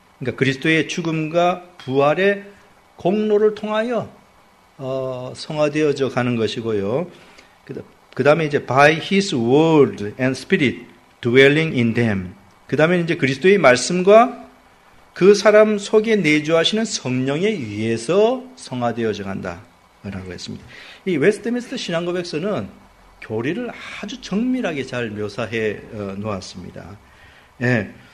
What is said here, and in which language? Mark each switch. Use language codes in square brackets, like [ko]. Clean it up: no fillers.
[ko] 그러니까 그리스도의 죽음과 부활의 공로를 통하여 성화되어져 가는 것이고요. 그 다음에 이제 [en] by his word and spirit dwelling in them. [ko] 그 다음에 이제 그리스도의 말씀과 그 사람 속에 내주하시는 성령에 의해서 성화되어져 간다. 라고 했습니다. 이 웨스트민스터 신앙고백서는 교리를 아주 정밀하게 잘 묘사해 놓았습니다. 예.